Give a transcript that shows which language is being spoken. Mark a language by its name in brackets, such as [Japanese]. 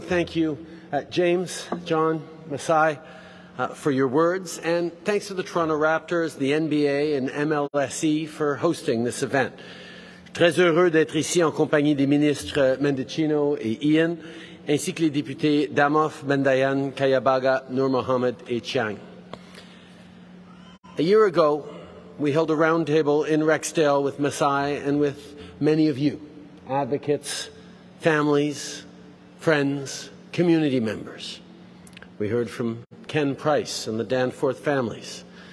[English] Thank you, James, John, Masai, for your words. And thanks to the Toronto Raptors, the NBA and MLSE for hosting this event. [French] Très heureux d'être ici en compagnie des ministres Mendicino et Ian, ainsi que les députés Damoff, Mendayan, Kayabaga, Nur Mohammed et Chiang. [English] A year ago, we held a roundtable in Rexdale with Masai and with many of you, advocates, families, friends, community members. We heard from Ken Price and the Danforth families.